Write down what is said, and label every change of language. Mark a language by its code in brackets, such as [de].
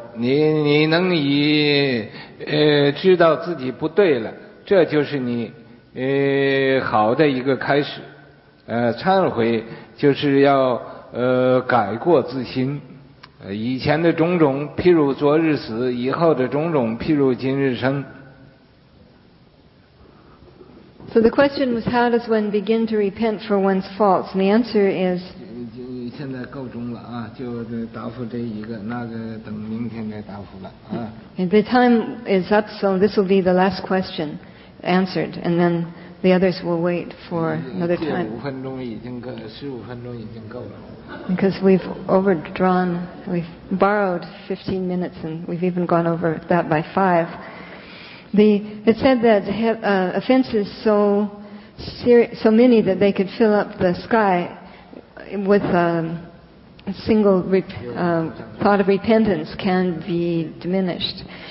[zh] 你能以知道自己不对了，这就是你好的一个开始。忏悔就是要改过自新。以前的种种譬如昨日死，以后的种种譬如今日生。 [en] So the question was, how does one begin to repent for one's faults? And the answer is, [zh] 现在够钟了啊，就答复这一个，那个等明天再答复了啊。 [en] And the time is up, so this will be the last question answered, and then the others will wait for another time. [zh] 15分钟已经够，15分钟已经够了。 [en] Because we've overdrawn, we've borrowed 15 minutes and we've even gone over that by 5. It said that offenses so many that they could fill up the sky with a single thought of repentance can be diminished.